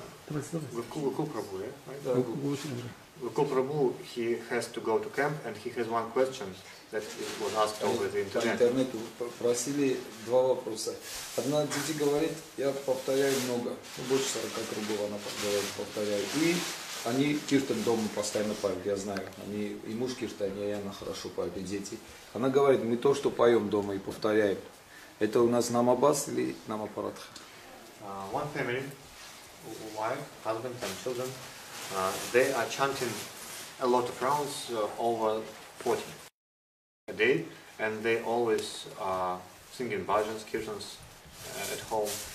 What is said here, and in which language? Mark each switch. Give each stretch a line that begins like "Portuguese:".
English: Gokul Prabhu, he has to go to camp and he has one question that was asked over the internet.
Russian: По интернету просили два вопроса. Одна дети говорит, я повторяю много, больше 40 кругов она говорит, повторяю. И они киртан дома постоянно поют, я знаю. Они и муж киртан, и она хорошо поют, и дети. Она говорит, мы то, что поем дома и повторяем. Это у нас намабас или намапаратха?
English: One family, wife, husband and children. They are chanting a lot of rounds, over 40 a day, and they always are singing bhajans, kirtans at home.